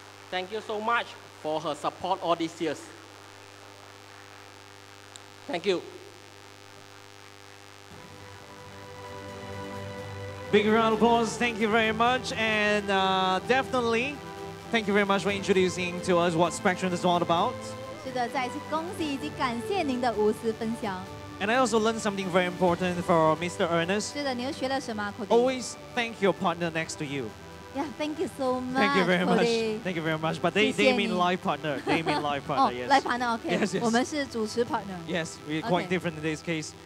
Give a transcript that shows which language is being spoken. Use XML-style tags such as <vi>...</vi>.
<en>Thank you so much for her support all these years. Thank you. Big round of applause. Thank you very much. And definitely, thank you very much for introducing to us what Spectrum is all about.</en> <zh>是的，再次恭喜以及感谢您的无私分享。</zh> <en>And I also learned something very important for Mr. Ernest.</en> <zh>是的，你又学了什么 ？Cody?</zh> <en>Always thank your partner next to you. Yeah, thank you so much. Thank you very much. Cody. Thank you very much. But they mean live partner. They mean live partner. Yes. Live partner. Okay. Yes. Yes.</en> <zh>我们是主持 partner.</zh> <en>Yes. We're quite different in this case.</en>